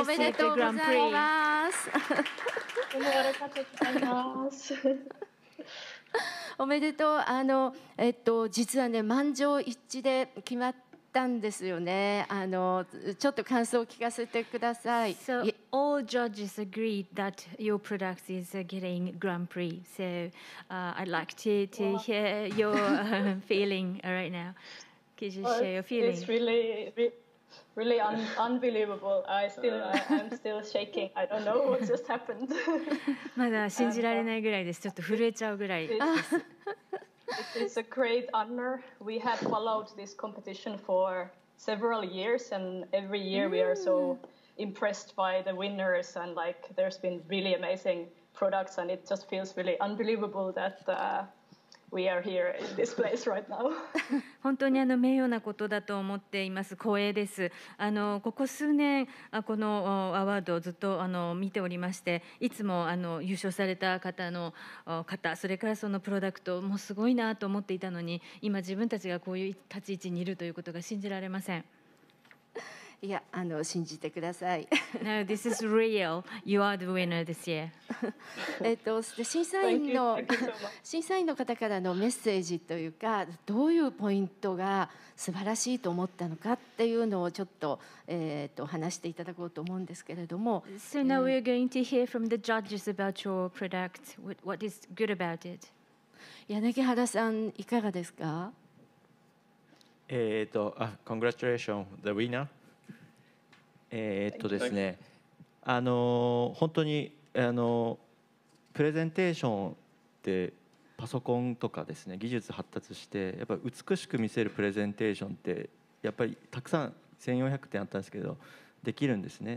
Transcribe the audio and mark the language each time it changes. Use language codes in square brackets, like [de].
[ja] おめでとうございます。おめでとうございます。おめでとう。あの、実はね、満場一致で決まってたんですよね。あのちょっと感想を聞かせてください。 [en] So all judges agreed that your product is getting Grand Prix. So I'd like to hear your feeling right now. Could you share your feeling? It's really unbelievable. I'm still shaking. I don't know what just happened. [ja] まだ信じられないぐらいです。ちょっと震えちゃうぐらいです。 [en] It's a great honor. We have followed this competition for several years, and every year we are so impressed by the winners. And like, there's been really amazing products, and it just feels really unbelievable that we are here in this place right now. [ja] 本当にあの名誉なことだと思っています。光栄です。あのここ数年このアワードをずっとあの見ておりまして、いつもあの優勝された方の方、それからそのプロダクトもすごいなと思っていたのに、今自分たちがこういう立ち位置にいるということが信じられません。いや、あの信じてください。 [en] No, this is real. You are the winner this year. [ja] 審査員の審査員の方からのメッセージというか、どういうポイントが素晴らしいと思ったのかっていうのをちょっと、話していただこうと思うんですけれども。 [en] So now we're going to hear from the judges about your product. What is good about it? [ja] 柳原さん、いかがですか？ [en] Congratulations, the winner. [ja] ですね、本当にプレゼンテーションってパソコンとかですね、技術発達してやっぱ美しく見せるプレゼンテーションってやっぱりたくさん1400点あったんですけどできるんですね。